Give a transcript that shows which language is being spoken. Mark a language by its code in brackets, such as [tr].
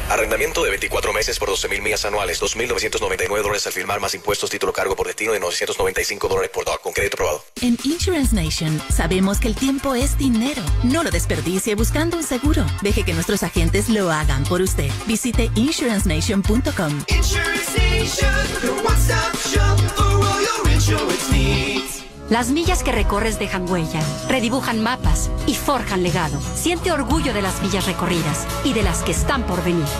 [es] Arrendamiento de 24 meses por 12,000 millas anuales. $2,999 al firmar, más impuestos, título, cargo por destino de $995 por DAC con crédito aprobado. En Insurance Nation sabemos que el tiempo es dinero. No lo desperdicie buscando un seguro. Deje que nuestros agentes lo hagan por usted. Visite insurancenation.com. [en] Insurance Nation, the one-stop shop for all your insurance needs. [es] Las millas que recorres dejan huella, redibujan mapas y forjan legado. Siente orgullo de las millas recorridas y de las que están por venir.